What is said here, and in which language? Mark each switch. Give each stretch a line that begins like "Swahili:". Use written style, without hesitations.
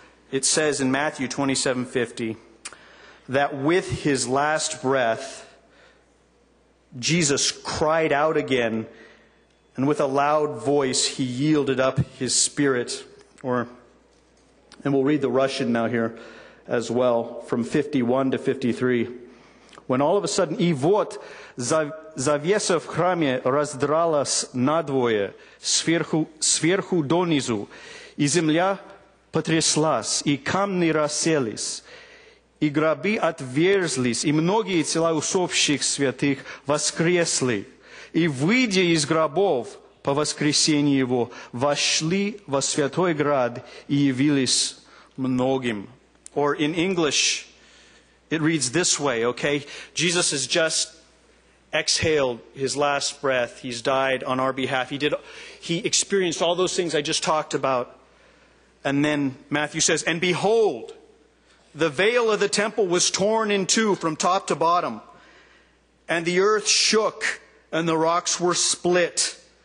English: It says in Matthew 27:50 that with his last breath, Jesus cried out again, and with a loud voice he yielded up his spirit. And we'll read the Russian now here as well, from 51 to 53. When all of a sudden,
Russian: и вот завеса в храме раздралась надвое, сверху донизу, и земля потряслась, и камни расселись, и гробы отверзлись, и многие тела усопших святых воскресли, и, выйдя из гробов по воскресении его, вошли во святой град и явились многим.
English: Or in English, it reads this way, okay? Jesus has just exhaled his last breath. He's died on our behalf. He experienced all those things I just talked about. And then Matthew says, and behold, the veil of the temple was torn in two from top to bottom, and the earth shook, and the rocks were split.